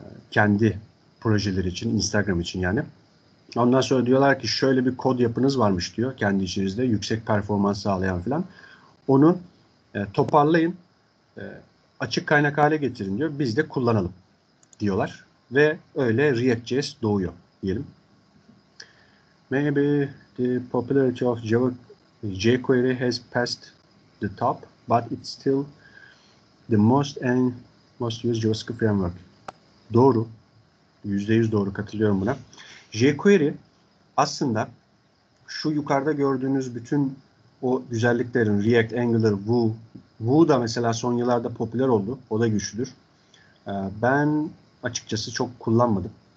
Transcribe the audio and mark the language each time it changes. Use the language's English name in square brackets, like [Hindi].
[Turkish] Kendi projeleri için, Instagram için yani. Ondan sonra diyorlar ki şöyle bir kod yapınız varmış diyor kendi içinizde. Yüksek performans sağlayan falan. Onu toparlayın. Açık kaynak hale getirin diyor. Biz de kullanalım diyorlar. Ve öyle React.js doğuyor diyelim. [English] Maybe the popularity of Java jQuery has passed the top, but it's still the most and most used JavaScript framework. [Turkish] Doğru. %100 doğru, katılıyorum buna. jQuery aslında şu yukarıda gördüğünüz bütün o güzelliklerin React, Angular, Vue. Vue da mesela son yıllarda popüler oldu. O da güçlüdür. Ben açıkçası çok kullanmadım.